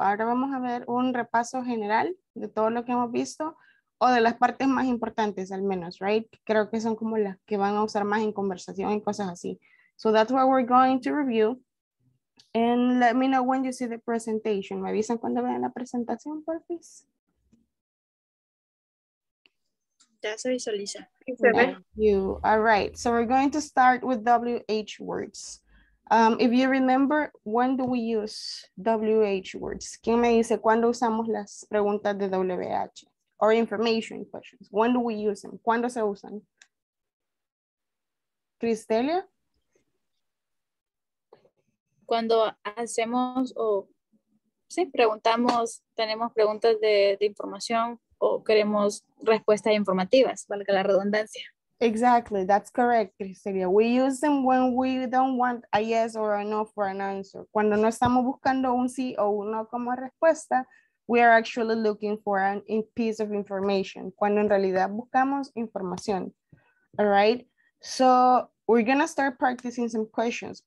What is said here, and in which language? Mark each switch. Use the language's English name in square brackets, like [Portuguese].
[Spanish] Ahora vamos a ver un repaso general de todo lo que hemos visto o de las partes más importantes al menos, right? Creo que son como las que van a usar más en conversación y cosas así. [English] So that's what we're going to review. And let me know when you see the presentation. [Spanish] ¿Me avisan cuando vean la presentación, por favor? Ya se visualiza. [English] Thank you. All right. So we're going to start with WH words. If you remember, when do we use WH words? [Spanish] ¿Quién me dice cuándo usamos las preguntas de WH? [English] Or information questions. When do we use them? [Spanish] ¿Cuándo se usan? [English] Cristelia? [Spanish] Cuando hacemos o sí, preguntamos, tenemos preguntas de información o queremos respuestas informativas, valga la redundancia. [English] Exactly, that's correct, Cristelia. We use them when we don't want a yes or a no for an answer. [Spanish] Cuando no estamos buscando un sí o un no como respuesta, [English] we are actually looking for a piece of information. [Spanish] Cuando en realidad buscamos información. [English] All right, so we're gonna start practicing some questions.